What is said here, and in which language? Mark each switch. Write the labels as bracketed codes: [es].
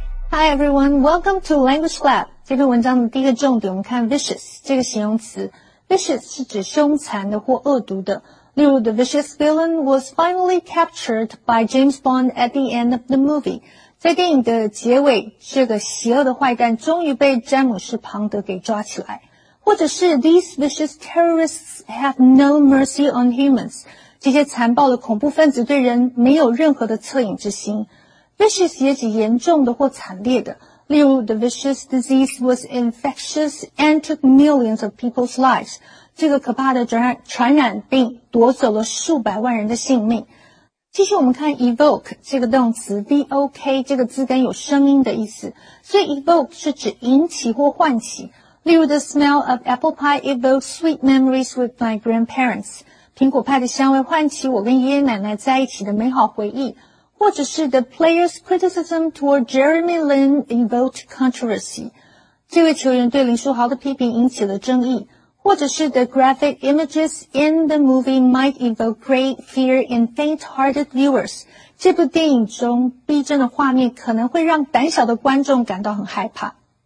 [en] Hi everyone, welcome to Language Lab. [zh] 这篇文章的第一个重点，我们看 vicious 这个形容词。 Vicious 是指凶残的或恶毒的。例如 [en] ,the vicious villain was finally captured by James Bond at the end of the movie. [zh] 在电影的结尾，这个邪恶的坏蛋终于被詹姆士庞德给抓起来。或者是 [en] ,these vicious terrorists have no mercy on humans. [zh] 这些残暴的恐怖分子对人没有任何的恻隐之心。 [en] Vicious [zh] 也指严重的或惨烈的，例如 [en] The vicious disease was infectious and took millions of people's lives. [zh] 这个可怕的传染病夺走了数百万人的性命。继续我们看 evoke 这个动词 ,V-O-K 这个字根有声音的意思。 [en] 所以 evoke [zh] 是指引起或唤起。例如 [en] The smell of apple pie evokes sweet memories with my grandparents. [zh] 苹果派的香味唤起我跟爷爷奶奶在一起的美好回忆。或者是 [en] The player's criticism toward Jeremy Lin evoked controversy. [zh] 这位球员对林书豪的批评引起了争议。或者是 [en] The graphic images in the movie might evoke great fear in faint-hearted viewers. [zh] 这部电影中逼真的画面可能会让胆小的观众感到很害怕。